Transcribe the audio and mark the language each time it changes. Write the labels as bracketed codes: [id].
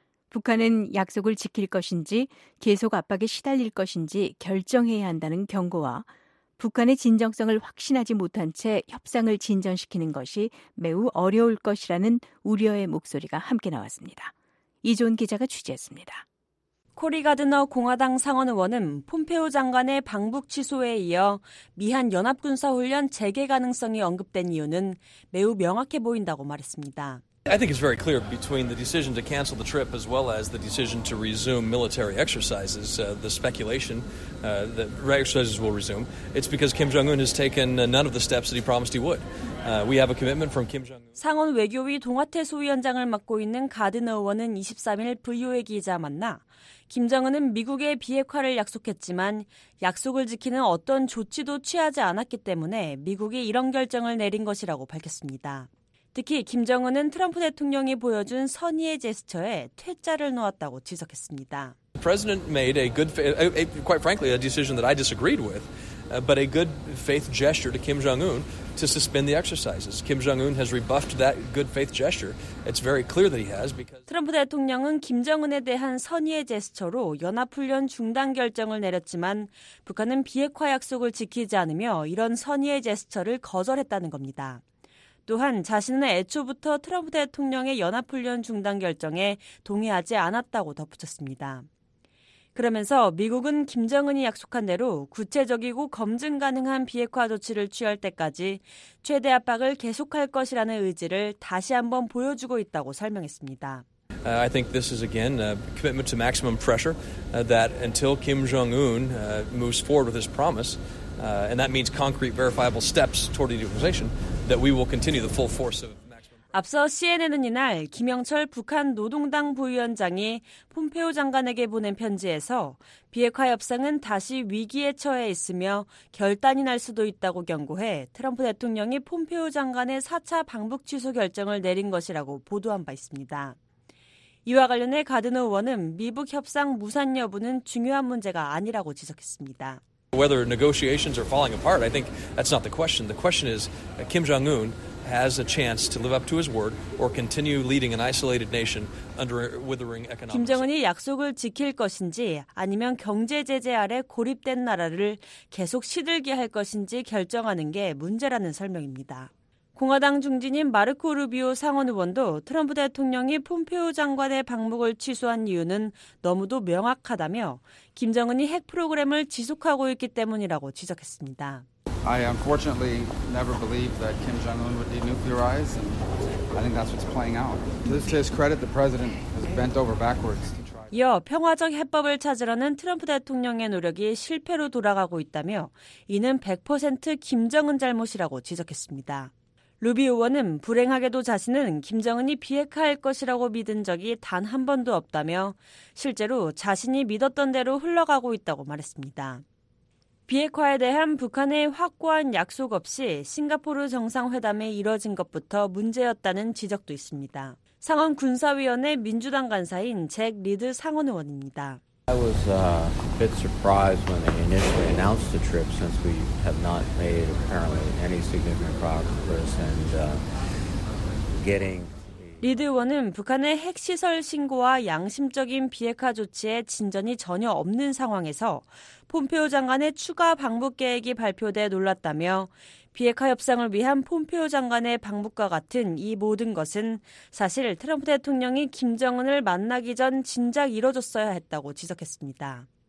[ko] 북한은 약속을 지킬 것인지 계속 압박에 시달릴 것인지 결정해야 한다는 경고와 북한의 진정성을 확신하지 못한 채 협상을 진전시키는 것이 매우 어려울 것이라는 우려의 목소리가 함께 나왔습니다. 이존 기자가 취재했습니다. 코리 가드너 공화당 상원 의원은 폼페오 장관의 방북 취소에 이어 미한 연합군사훈련 재개 가능성이 언급된 이유는 매우 명확해 보인다고 말했습니다. [en] I think it's very clear between the decision to cancel the trip as well as the decision to resume military exercises, the speculation that exercises will resume. It's because Kim Jong-un has taken none of the steps that he promised he would. We have a commitment from Kim Jong-un. [ko] 상원 외교위 동아태 소위원장을 맡고 있는 가드너 의원은 23일 VOA 기자 만나 김정은은 미국의 비핵화를 약속했지만 약속을 지키는 어떤 조치도 취하지 않았기 때문에 미국이 이런 결정을 내린 것이라고 밝혔습니다. 특히 김정은은 트럼프 대통령이 보여준 선의의 제스처에 퇴짜를 놓았다고 지적했습니다. [en] The president made a good, quite frankly, a decision that I disagreed with, but a good faith gesture to Kim Jong-un to suspend the exercises. Kim Jong-un has rebuffed that good faith gesture. It's very clear that he has because [ko] 트럼프 대통령은 김정은에 대한 선의의 제스처로 연합훈련 중단 결정을 내렸지만 북한은 비핵화 약속을 지키지 않으며 이런 선의의 제스처를 거절했다는 겁니다. 또한 자신은 애초부터 트럼프 대통령의 연합훈련 중단 결정에 동의하지 않았다고 덧붙였습니다. 그러면서 미국은 김정은이 약속한 대로 구체적이고 검증 가능한 비핵화 조치를 취할 때까지 최대 압박을 계속할 것이라는 의지를 다시 한번 보여주고 있다고 설명했습니다. [en] I think this is again a commitment to maximum pressure that until Kim Jong-un moves forward with his promise, and that means concrete verifiable steps toward denuclearization that we will continue the full force of [ko] 앞서 CNN은 이날 김영철 북한 노동당 부위원장이 폼페오 장관에게 보낸 편지에서 비핵화 협상은 다시 위기에 처해 있으며 결단이 날 수도 있다고 경고해 트럼프 대통령이 폼페오 장관의 4차 방북 취소 결정을 내린 것이라고 보도한 바 있습니다. 이와 관련해 가드너 의원은 미북 협상 무산 여부는 중요한 문제가 아니라고 지적했습니다. [en] Whether negotiations are falling apart, I think that's not the question. The question is Kim Jong-un has a chance to live up to his word or continue leading an isolated nation under withering economic. [ko] 김정은이 약속을 지킬 것인지 아니면 경제 제재 아래 고립된 나라를 계속 시들게 할 것인지 결정하는 게 문제라는 설명입니다. 공화당 중진인 마르코 루비오 상원 의원도 트럼프 대통령이 폼페오 장관의 방북을 취소한 이유는 너무도 명확하다며 김정은이 핵 프로그램을 지속하고 있기 때문이라고 지적했습니다. [en] I unfortunately never believed that Kim Jong-un would denuclearize, and I think that's what's playing out. This is credit the president has bent over backwards. [ko] 이어 평화적 해법을 찾으려는 트럼프 대통령의 노력이 실패로 돌아가고 있다며 이는 100% 김정은 잘못이라고 지적했습니다. 루비 의원은 불행하게도 자신은 김정은이 비핵화할 것이라고 믿은 적이 단 한 번도 없다며 실제로 자신이 믿었던 대로 흘러가고 있다고 말했습니다. 비핵화에 대한 북한의 확고한 약속 없이 싱가포르 정상회담이 이뤄진 것부터 문제였다는 지적도 있습니다. 상원 군사위원회 민주당 간사인 잭 리드 상원 의원입니다. [en] I was a bit surprised when they initially announced the trip since we have not made apparently any significant progress and getting [ko] 리드 의원은 북한의 핵시설 신고와 양심적인 비핵화 조치에 진전이 전혀 없는 상황에서 폼페오 장관의 추가 방북 계획이 발표돼 놀랐다며 비핵화 협상을 위한 폼페오 장관의 방북과 같은 이 모든 것은 사실 트럼프 대통령이 김정은을 만나기 전 진작 이뤄졌어야 했다고 지적했습니다.